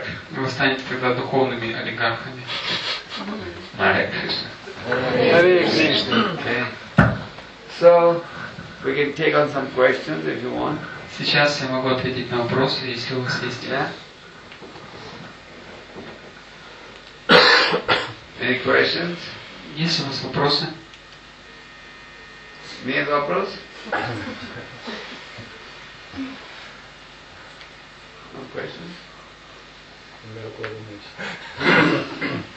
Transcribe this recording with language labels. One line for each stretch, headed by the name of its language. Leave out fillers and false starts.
Russian: Вы станете тогда духовными олигархами.
English: Hare Krishna. So, we can take on some questions if you want.
Russian: Сейчас я могу ответить на вопросы, если у вас есть.
English: Any questions?
Russian: Есть у вас вопросы? Нет вопрос?
English: No questions?